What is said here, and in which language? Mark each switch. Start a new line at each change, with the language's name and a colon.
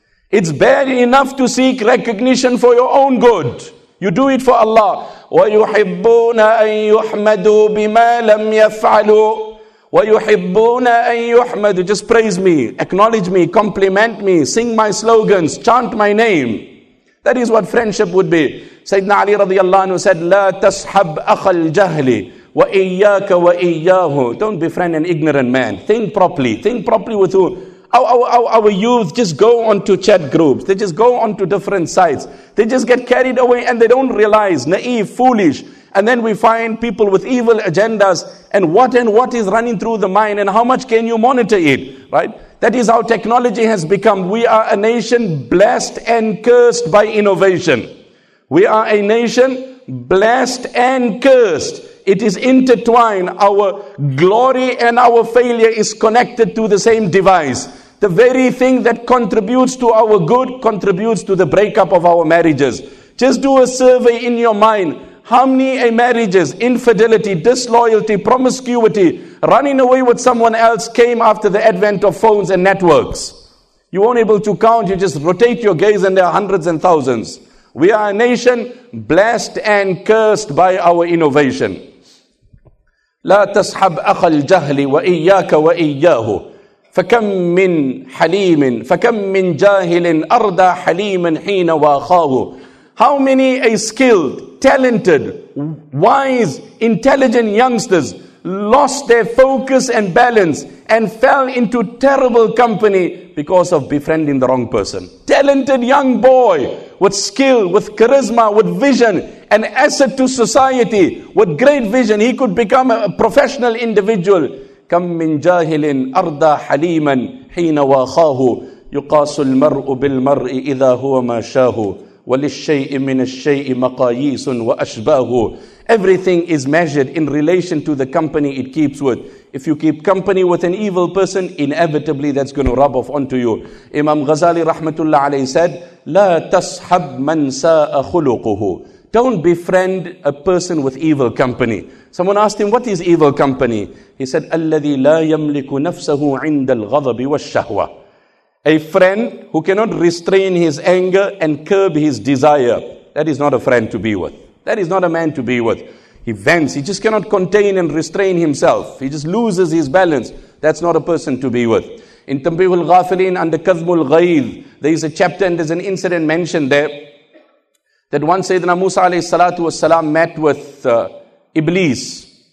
English: It's bad enough to seek recognition for your own good. You do it for Allah.
Arabic: وَيُحِبُّونَ أَن يُحْمَدُوا بِمَا لَمْ يَفْعَلُوا وَيُحِبُّونَ أَن يُحْمَدُوا.
English: Just praise me, acknowledge me, compliment me, sing my slogans, chant my name. That is what friendship would be. Sayyidina Ali radiallahu anhu said,
Arabic: لَا تَسْحَبْ أَخَ الْجَهْلِ وَإِيَّاكَ وَإِيَّاهُ.
English: Don't befriend an ignorant man. Think properly. Think properly with who. our youth just go onto chat groups. They just go onto different sites. They just get carried away and they don't realize, naive, foolish. And then we find people with evil agendas and what is running through the mind and how much can you monitor it, right? That is how technology has become. We are a nation blessed and cursed by innovation. We are a nation blessed and cursed. It is intertwined. Our glory and our failure is connected to the same device. The very thing that contributes to our good contributes to the breakup of our marriages. Just do a survey in your mind. How many marriages, infidelity, disloyalty, promiscuity, running away with someone else came after the advent of phones and networks? You won't be able to count. You just rotate your gaze and there are hundreds and thousands. We are a nation blessed and cursed by our innovation.
Arabic: لا تصحب أخ الجهل وإياك وإياه فكم من حليم فكم من جاهل أردى حليما حين واخاه.
English: How many a skilled, talented, wise, intelligent youngsters lost their focus and balance and fell into terrible company because of befriending the wrong person? Talented young boy with skill, with charisma, with vision, an asset to society, with great vision, he could become a professional individual.
Arabic: كم من جاهل أرضى حليما حين واخاه يقاس المرء بالمرء إذا هو ما شاه وللشيء من الشيء مقاييس وأشباه.
English: Everything is measured in relation to the company it keeps with. If you keep company with an evil person, inevitably that's going to rub off onto you. Imam Ghazali rahmatullah alayhi said,
Arabic: لا تصحب من ساء خلقه.
English: Don't befriend a person with evil company. Someone asked him, what is evil company? He said,
Arabic: الذي لا يملك نفسه عند الغضب والشهوة.
English: A friend who cannot restrain his anger and curb his desire. That is not a friend to be with. That is not a man to be with. He vents. He just cannot contain and restrain himself. He just loses his balance. That's not a person to be with. In Tanbih al-Ghafilin under Kadhmul Ghaid, there is a chapter and there's an incident mentioned there that once Sayyidina Musa alayhi salatu was salam met with Iblis.